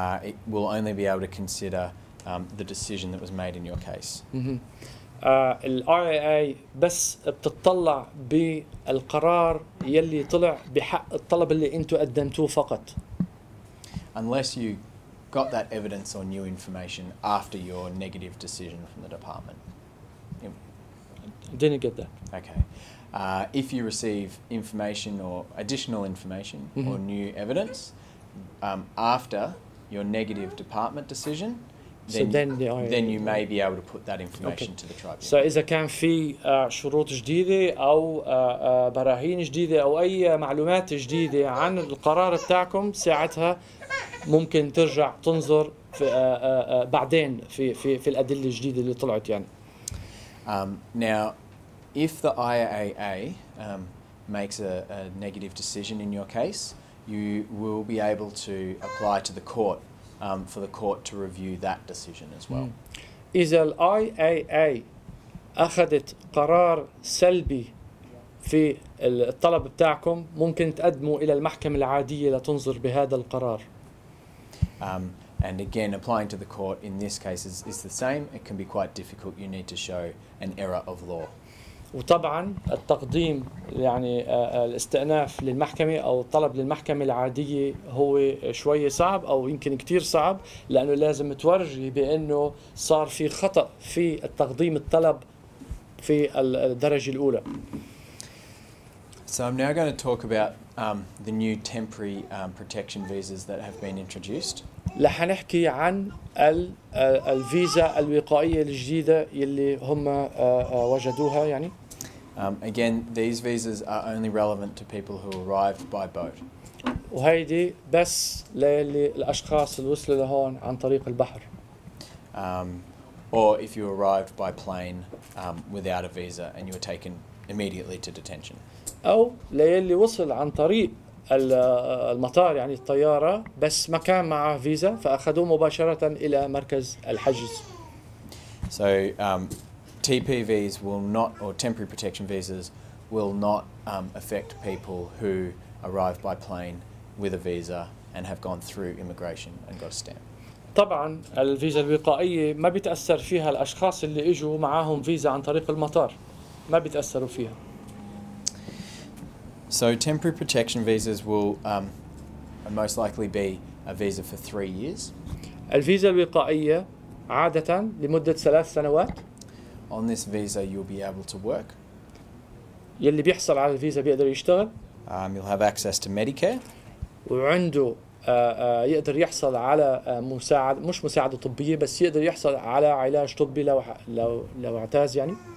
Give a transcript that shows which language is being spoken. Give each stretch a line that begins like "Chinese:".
English: It will only be able to consider the decision that was made in your case.
Arabic: الIAA بس بتطلع بالقرار يلي طلع بحق الطلب اللي انتو قدمتوه فقط.
English: Unless you got that evidence or new information after your negative decision from the department. Didn't get that. Okay. If you receive information or additional information or new evidence after your negative department decision, then you may be able to put that information to the tribunal.
Arabic: So, إذا كان في شروط جديدة أو براهين جديدة أو أي معلومات جديدة عن القرار بتاعكم ساعتها ممكن ترجع تنظر في بعدين في في في الأدلة الجديدة اللي طلعت يعني.
English: Now, if the IAA makes a negative decision in your case, you will be able to apply to the court for the court to review that decision as well.
Arabic: إذا الIAA أخذت قرار سلبي في الطلب بتاعكم ممكن تقدموا إلى المحكمة العادية لتنظر بهذا القرار.
English: And again, applying to the court in this case is the same. It can be quite difficult. You need to show an error of law.
Arabic: وطبعا التقديم يعني الاستئناف للمحكمة أو الطلب للمحكمة العادية هو شوية صعب أو يمكن كتير صعب لأنه لازم تورجي بأنه صار في خطأ في التقديم الطلب في الدرجة الأولى.
English: So I'm now going to talk about the new temporary protection visas that have been introduced.
Arabic: لح نحكي عن الفيزا الوقائية الجديدة يلي هم وجدوها يعني.
English: Again, these visas are only relevant to people who arrived by boat.
Arabic: وهيدي بس للي الأشخاص اللي وصلوا لهون عن طريق البحر.
English: Or if you arrived by plane without a visa and you were taken immediately to detention.
Arabic: أو للي وصل عن طريق المطار يعني الطيارة بس ما كان معه فيزا فأخذوه مباشرة إلى مركز الحجز.
English: So TPVs will not, or temporary protection visas will not affect people who arrive by plane with a visa and have gone through immigration and got a stamp.
Arabic: طبعا الفيزا الوقائية ما بتأثر فيها الأشخاص اللي إجوا معاهم فيزا عن طريق المطار ما بتأثروا فيها.
English: So temporary protection visas will most likely be a visa for 3 years.
Arabic: الفيزا الوقائية عادة لمدة 3 سنوات.
English: On this visa you'll be able to work.
Arabic: يلي بيحصل على الفيزا بيقدر يشتغل.
English: You'll have access to Medicare.
Arabic: وعنده يقدر يحصل على مساعد مش مساعدة طبية بس يقدر يحصل على علاج طبي لو اعتاز يعني.